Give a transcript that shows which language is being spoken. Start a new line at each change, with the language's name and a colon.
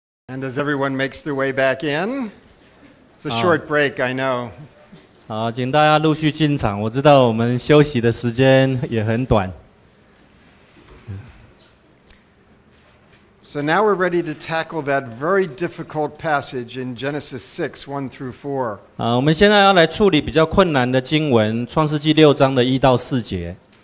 English: And as everyone makes their way back in, it's a short break, I know.
Chinese: 好，请大家陆续进场。我知道我们休息的时间也很短。
English: So now we're ready to tackle that very difficult passage in Genesis 6, 1 through 4.
Chinese: 好，我们现在要来处理比较困难的经文，创世纪六章的一到四节。